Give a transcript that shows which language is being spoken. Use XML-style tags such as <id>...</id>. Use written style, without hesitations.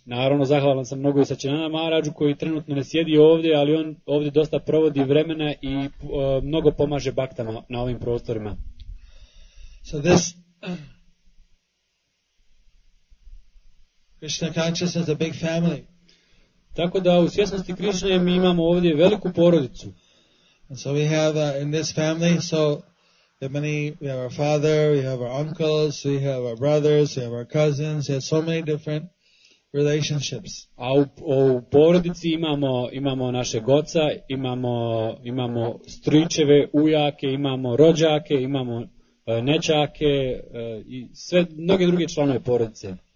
<hr>Naravno, zahvalan sam mnogo i Satchinandan Maharaju koji trenutno ne sjedi ovdje, ali on ovdje dosta provodi vremena i mnogo pomaže baktama na ovim prostorima.</hr> <en>So this Krishna consciousness is a big family.</en> <hr>Tako da u svjesnosti Krišne mi imamo ovdje veliku porodicu.</hr> <en>And so we have in this family, so we have many, we have our father, we have our uncles, we have our brothers, we have our cousins, we have so many different relationships.</en> <hr>A u porodici imamo našeg oca, imamo stričeve, ujake, imamo rođake, imamo nećake i sve mnoge druge članove porodice.</hr>